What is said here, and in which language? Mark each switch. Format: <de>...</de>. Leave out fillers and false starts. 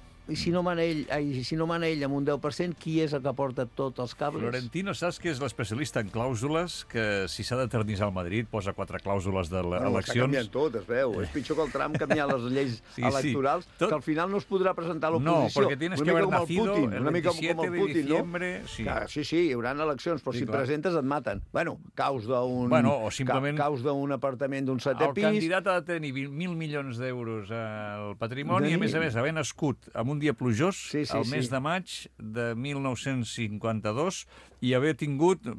<ca>I si no mana ell, amb un 10%, qui és el que porta tots els cables? Florentino, saps que és l'especialista en clàusules, que si s'ha d'eternitzar el Madrid posa quatre clàusules d'eleccions? Bueno, s'ha canviat tot, es veu. És pitjor que el Trump canviar les lleis electorals, tot... que al final no es podrà presentar a l'oposició. No, perquè</ca> <es>tienes que haber nacido el 27 de diciembre...</es> <ca>No? Sí. Sí, sí, hi haurà eleccions, però sí, si clar. Presentes et maten. Bueno, caus d'un... Bueno, o simplement... Caus d'un apartament d'un setè pis... El candidat ha de tenir 1.000 milions d'euros al patrimoni, de... a més, haver nascut amb un dia plujós, el mes de maig de 1952, i haver tingut...</ca>